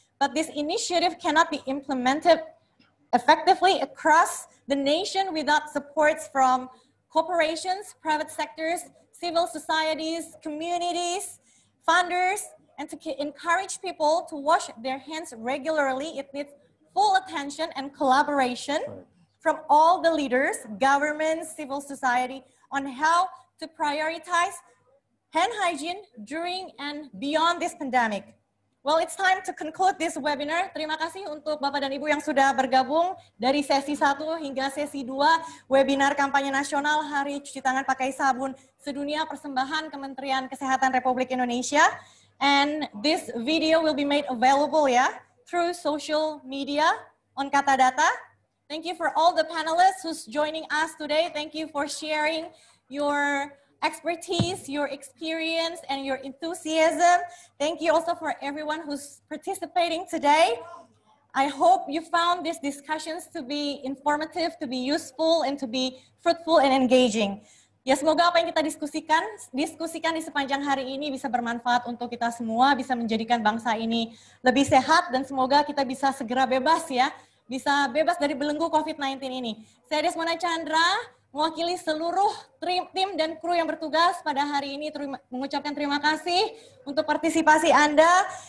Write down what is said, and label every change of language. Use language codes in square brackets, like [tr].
[en] But this initiative cannot be implemented effectively across the nation without supports from corporations, private sectors, civil societies, communities, funders, and to encourage people to wash their hands regularly, it needs full attention and collaboration from all the leaders, governments, civil society, on how to prioritize hand hygiene during and beyond this pandemic. Well, it's time to conclude this webinar. [id] Terima kasih untuk Bapak dan Ibu yang sudah bergabung dari sesi 1 hingga sesi 2 webinar kampanye nasional Hari Cuci Tangan Pakai Sabun Sedunia Persembahan Kementerian Kesehatan Republik Indonesia. [en] And this video will be made available ya through social media on Kata Data. Thank you for all the panelists who's joining us today. Thank you for sharing your expertise, your experience, and your enthusiasm. Thank you also for everyone who's participating today. I hope you found these discussions to be informative, to be useful, and to be fruitful and engaging. [id] Ya, semoga apa yang kita diskusikan di sepanjang hari ini bisa bermanfaat untuk kita semua, bisa menjadikan bangsa ini lebih sehat, dan semoga kita bisa segera bebas ya, bisa bebas dari belenggu COVID-19 ini. Saya Desmona Chandra, mewakili seluruh tim dan kru yang bertugas pada hari ini, mengucapkan terima kasih untuk partisipasi Anda.